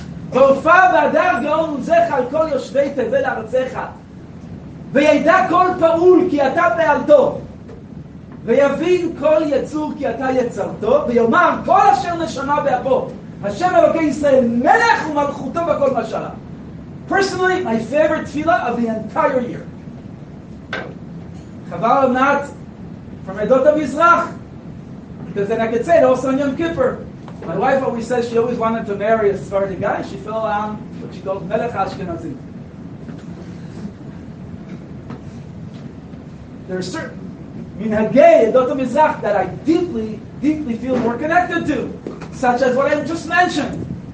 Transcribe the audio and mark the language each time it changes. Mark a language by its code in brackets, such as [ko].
[he] והופעה והדר גאון וזך על כל יושבי תבל ארצך. וידע כל פעול כי אתה בעלתו. ויבין כל יצור כי אתה יצרתו. ויאמר כל אשר נשמה באפו. השם אלוקי ישראל מלך ומלכותו בכל משלה. [en] Personally, my favorite תפילה of the entire year. [he] חבל ענת, from עדות המזרח. [en] Because then I could say it also on Yom Kippur. My wife always says she always wanted to marry a Sephardi guy. She fell on what she called Melech Ashkenazim. There are certain minhagei Edot HaMizrach that I deeply, deeply feel more connected to, such as what I just mentioned.